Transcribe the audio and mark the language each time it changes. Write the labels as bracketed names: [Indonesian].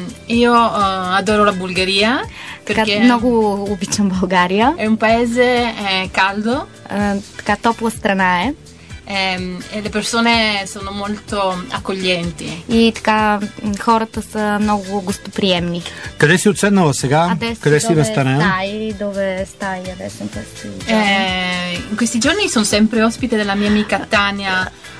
[Italian] Io adoro la Bulgaria perché [Bulgarian] много обичам България. [Italian] È un paese caldo. [Bulgarian] Така топла страна е. [Italian] E le persone sono molto accoglienti. [Bulgarian] И така хората са много гостоприемни. Къде си отседнала сега? Къде си настанена? [Italian] Dove stai adesso in questi giorni? In questi giorni sono sempre ospite della mia amica Tania.